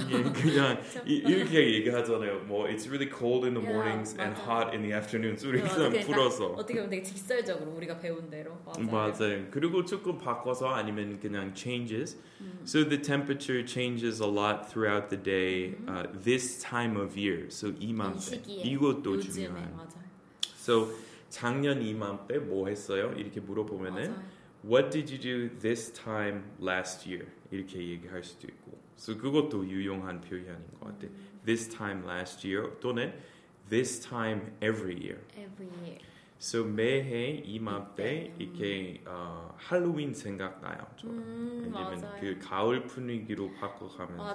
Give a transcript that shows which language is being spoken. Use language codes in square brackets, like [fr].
[ko] 그냥, 그냥 이렇게 얘기하잖아요. [en] 뭐 it's really cold in the yeah, mornings [ko] 맞아. [en] and hot in the afternoons. [ko] 우리 그냥 풀어서 어떻게 보면 되게 직설적으로 우리가 배운 대로 맞아요. 맞아요. 그리고 조금 바꿔서 아니면 그냥 changes. [en] So the temperature changes a lot throughout the day. This time of year. [ko] So 이맘때 이것도 중요한. So 작년 이맘때 뭐 했어요? 이렇게 물어보면은. 맞아요. [en] What did you do this time last year? [ko] 이렇게 얘기할 수도 있고. So 그것도 유용한 표현인 것 같아. [en] This time last year 또는 this time every year. Every year. [ko] So 매해 이맘때 이렇게 할로윈 생각나요. 아니면 맞아요. 그 가을 분위기로 바꿔가면서.